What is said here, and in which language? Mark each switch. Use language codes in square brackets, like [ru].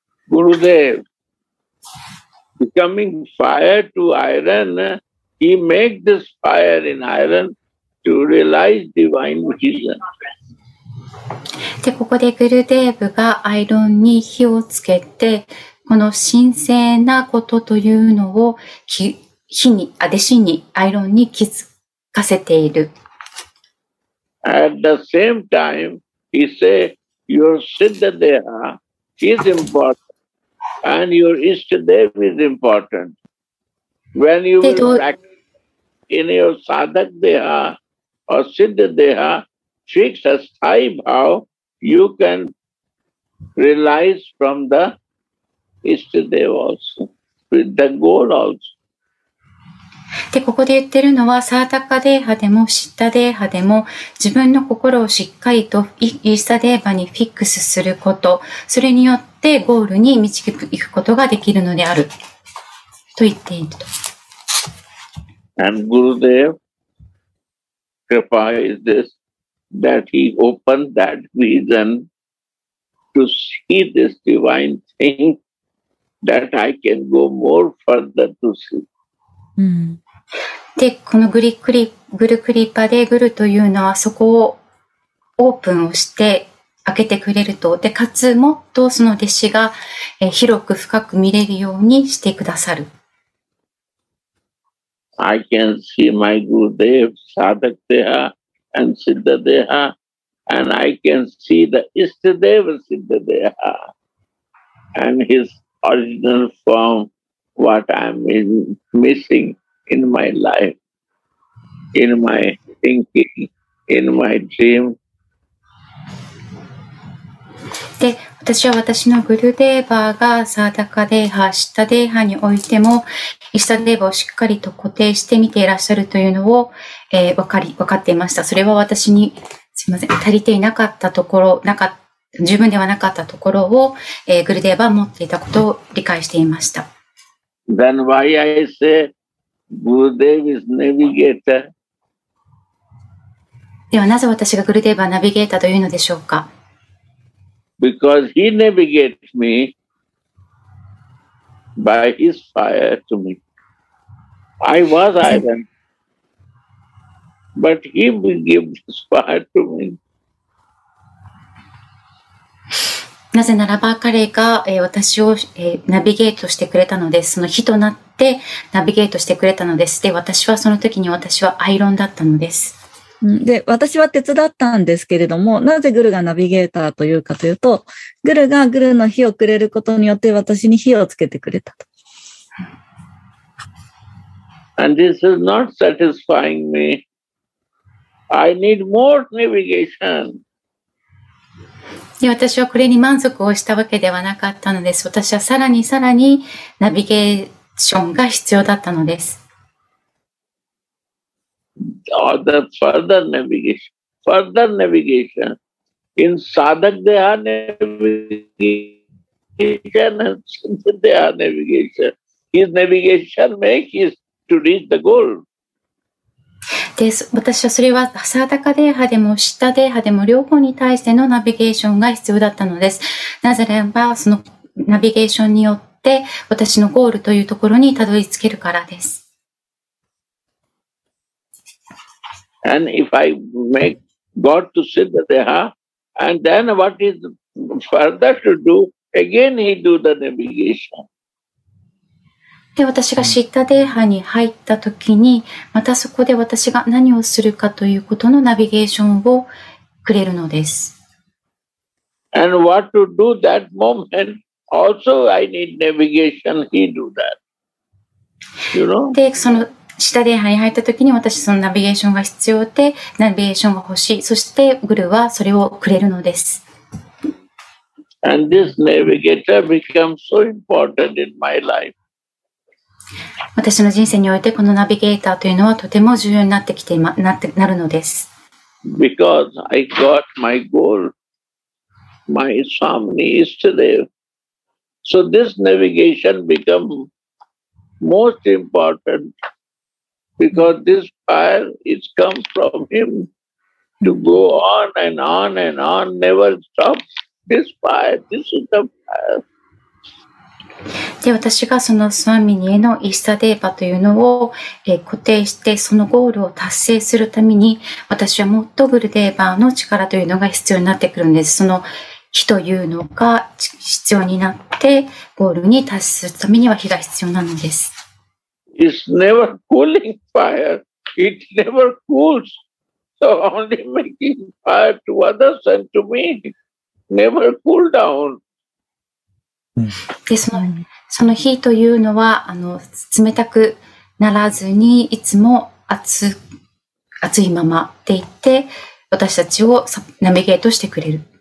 [en] Gurudev becoming fire to iron, he make this fire in iron to realize divine vision. [ja] で、ここでグルデーブがアイロンに火をつけて、この神聖なことというのを火に、あ、弟子にアイロンに気づかせている。 [en] At the same time, he say, your Siddha Deha is important and your Ishta Deva is important. When you will practice in your Sadhak Deha or Siddha Deha, fix a sthayi bhav, you can realize from the Ishta Deva also, with the goal also. [ja] で、ここで言ってるのは、サータカデーハでも、シッタデーハでも、自分の心をしっかりとイースタデーバにフィックスすること、それによってゴールに導くことができるのである、と言っていると。 [en] And Gurudev's kripa is this, that he opened that reason to see this divine thing, that I can go more further to see. Mm. [ja] で、このグルクリパでグルというのはそこをオープンをして開けてくれると、で、かつもっとその弟子が広く深く見れるようにしてくださる。 [en] I can see my Gurudev, Sadak Deha and Siddha Deha, and I can see the Ishtadeva Siddha Deha and his original form, what I am missing in my life, in my thinking, in my dream. [ja] で、私は私のグルデーバーがサーダカデーハ、シッタデーハにおいてもイシタデーバーをしっかりと固定して見ていらっしゃるというのを、分かっていました。それは私にすみません足りていなかったところなか十分ではなかったところを、グルデーバーを持っていたことを理解していました。 [en] Then why I say Gurudev is navigator? [ja] ではなぜ私がグルデーバーナビゲーターというのでしょうか。 [en] Because he navigates me by his fire to me. I was iron, but he will give his fire to me. [ja] なぜならば彼が私をナビゲートしてくれたのです。その火となってナビゲートしてくれたのです。で、私はその時に私はアイロンだったのです。で、私は鉄だったんですけれども、なぜグルがナビゲーターというかというと、グルがグルの火をくれることによって私に火をつけてくれたと。 [en] And this is not satisfying me. I need more navigation. [ja] で、私はこれに満足をしたわけではなかったのです。私はさらにさらにナビゲーションが必要だったのです。 [en] Or the further navigation in sadhak deha navigation and siddha deha navigation. His navigation makes is to reach the goal. [ja] で、私はそれはサダカデーハでもシッタデーハでも両方に対してのナビゲーションが必要だったのです。なぜならばそのナビゲーションによって私のゴールというところにたどり着けるからです。 [en] And if I make God to Siddha Deha, and then what is further to do? Again, he do the navigation. [ja] で、私がシッタデーハに入った時に、またそこで私が何をするかということのナビゲーションをくれるのです。 [en] And what to do that moment? Also, I need navigation. He do that. You know? [ja] で、その下で入った時に私そのナビゲーションが必要でナビゲーションが欲しい。そしてグルはそれをくれるのです。 [en] And this navigator becomes so important in my life. [ja] 私の人生においてこのナビゲーターというのはとても重要になってきて、ま、なってなるのです。 [en] Because I got my goal, my swami is today. So this navigation becomes most important. Because this fire is come from him to go on and on and on, never stop. This fire, this is the fire. [ja] で、私がそのスワミニへのイスタデーバというのを、固定して、そのゴールを達成するために、私はもっとグルデーバーの力というのが必要になってくるんです。その火というのが必要になって、ゴールに達するためには火が必要なのです。 [en] It's never cooling fire. It never cools. So only making fire to others and to me. Never cool down. [ja] ですので、その火というのは冷たくならずにいつも熱いままでいて私たちをナビゲートしてくれる。